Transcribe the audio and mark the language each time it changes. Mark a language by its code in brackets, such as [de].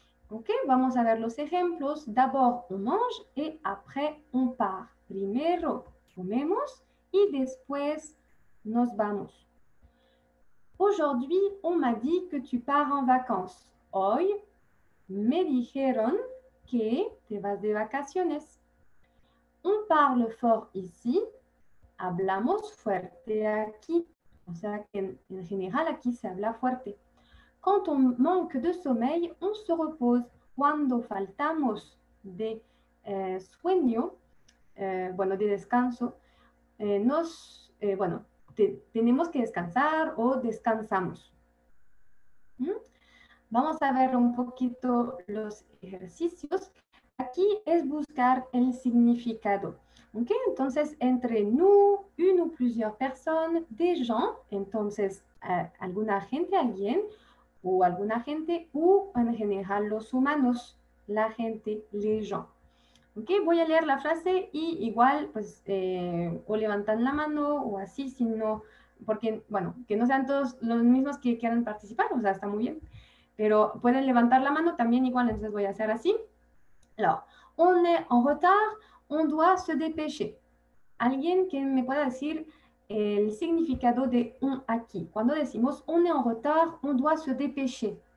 [es] Ok, vamos a ver los ejemplos. [fr] D'abord on mange et après on part. [es] Primero comemos y después nos vamos. [fr] Aujourd'hui on m'a dit que tu pars en vacances. [es] Hoy me dijeron que te vas de vacaciones. [fr] On parle fort ici. [es] Hablamos fuerte aquí. O sea, que en general aquí se habla fuerte. [fr] Quand on manque de sommeil, on se repose. [es] Cuando faltamos de sueño, bueno, de descanso, tenemos que descansar o descansamos. ¿Mm? Vamos a ver un poquito los ejercicios. Aquí es buscar el significado. ¿Okay? Entonces, entre nous, [fr] une o plusieurs personnes, des gens, [es] entonces, alguna gente, alguien, o alguna gente, o en general los humanos, la gente, [fr] les gens. [es] ¿Okay? Voy a leer la frase y igual, pues, o levantan la mano o así, si no, porque, bueno, que no sean todos los mismos que quieran participar, o sea, está muy bien. Pero pueden levantar la mano también igual, entonces voy a hacer así. [fr] Alors, on est en retard, on doit se dépêcher. [es] Alguien que me pueda decir el significado de on aquí. Cuando decimos [fr] on est en retard, on doit se dépêcher.